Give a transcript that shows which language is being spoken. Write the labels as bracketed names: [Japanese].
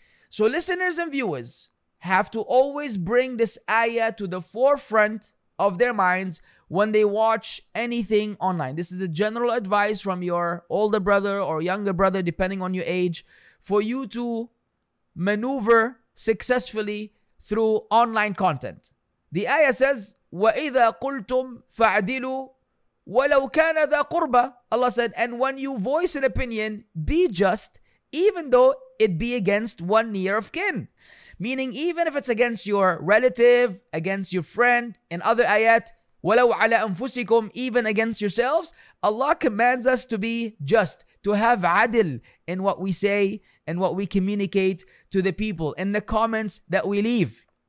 [English] So listeners and viewers have to always bring this ayah to the forefront of their minds when they watch anything online. This is a general advice from your older brother or younger brother, depending on your age, for you to maneuver successfully through online content. The ayah says, [Arabic] وَإِذَا قُلْتُمْ فَعَدِلُوا وَلَوْ كَانَ ذَا قُرْبَ. [English] Allah said, and when you voice an opinion, be just, even though it be against one near of kin. Meaning, even if it's against your relative, against your friend, in other ayat, [Arabic] وَلَوْ عَلَى أَنفُسِكُمْ, [English] even against yourselves, Allah commands us to be just, to have adil in what we say and what we communicate to the people, in the comments that we leave.